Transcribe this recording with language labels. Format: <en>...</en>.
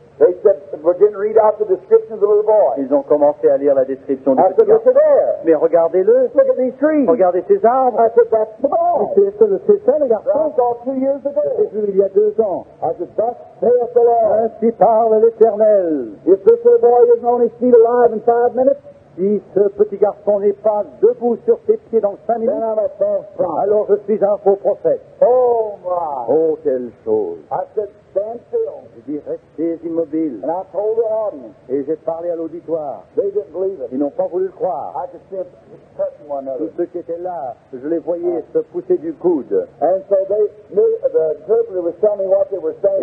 <en>They said, we didn't read out the description of the little boy.</en> <fr>Ils ont commencé à lire la description du</fr> <en>I</en> <fr>petit</fr> <en>said, there.</en> <fr>Mais regardez-le.</fr> <en>Look at these trees.</en> <fr>Regardez ces arbres.</fr> <en>I said, that's the boy.</en> <fr>C'est ça, le garçon.</fr> <en>I saw 2 years ago.</en> <fr>J'ai vu il y a 2 ans.</fr> <en>I said, thus saith the Lord.</en> <fr>Ainsi parle l'Éternel.</fr> <en>If this little boy is on his feet alive in 5 minutes,</en> <fr>si ce petit garçon n'est pas debout sur ses pieds dans 5 minutes,</fr> <en>then I'm a false prophet.</en> <fr>Alors je suis un faux prophète.</fr> <en>Oh, my.</en> <fr>Oh, quelle chose.</fr> <en>I said, stand still.</en> <fr>J'ai dit, restez immobile.</fr> <en>And I told the audience.</en> <fr>Et j'ai parlé à l'auditoire.</fr> <en>They didn't believe it.</en> <fr>Ils n'ont pas voulu le croire.</fr> <en>I just said, just touching one another.</en> <fr>Tous ceux qui étaient là, je les voyais se pousser du coude.</fr> <en>And so the interpreter was telling me what they were saying.</en>